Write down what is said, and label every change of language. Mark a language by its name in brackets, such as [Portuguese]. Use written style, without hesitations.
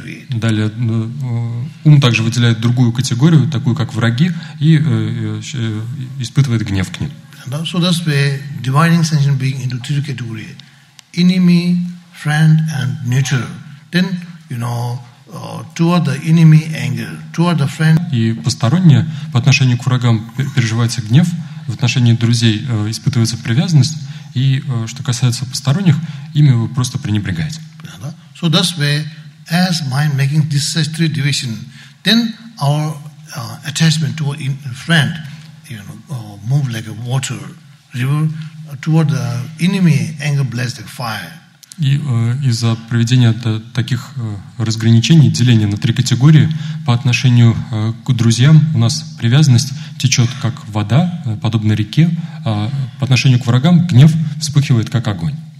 [Russian] Далее ум также выделяет другую категорию, такую как враги, и испытывает гнев к ним. [English] So that's why dividing sentient being into three categories: enemy, friend, and neutral. Then you know, toward the enemy, anger; toward the friend. [Russian] И посторонние по отношению к врагам переживается гнев, в отношении друзей испытывается привязанность, и что касается посторонних, ими вы просто пренебрегаете. [English] So that's why, as mind making these three divisions, then our attachment to a friend. You know, move like a water river toward the enemy, anger blessed like fire. [Russian] И из-за проведения таких разграничений, деления на три категории, по отношению к друзьям у нас привязанность течет как вода, подобно реке, а по отношению к врагам гнев вспыхивает как огонь.